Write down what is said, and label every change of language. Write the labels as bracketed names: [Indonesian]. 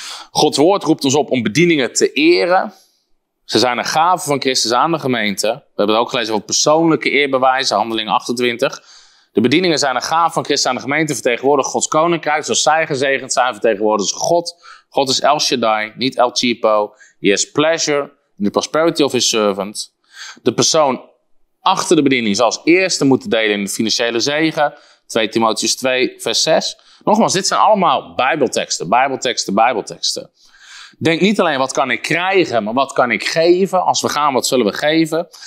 [Dutch] Gods woord roept ons op om bedieningen te eren. Ze zijn een gave van Christus aan de gemeente. We hebben het ook gelezen over persoonlijke eerbewijzen, handeling 28... De bedieningen zijn een gaaf van Christus aan de gemeente, vertegenwoordigen Gods koninkrijk. Zoals zij gezegend zijn, vertegenwoordigen ze God. God is El Shaddai, niet El Chipo. [English] He has pleasure in the prosperity of his servant. [Dutch] De persoon achter de bediening zal als eerste moeten delen in de financiële zegen. 2 Timotheus 2, vers 6. Nogmaals, dit zijn allemaal bijbelteksten. Denk niet alleen wat kan ik krijgen, maar wat kan ik geven? Als we gaan, wat zullen we geven?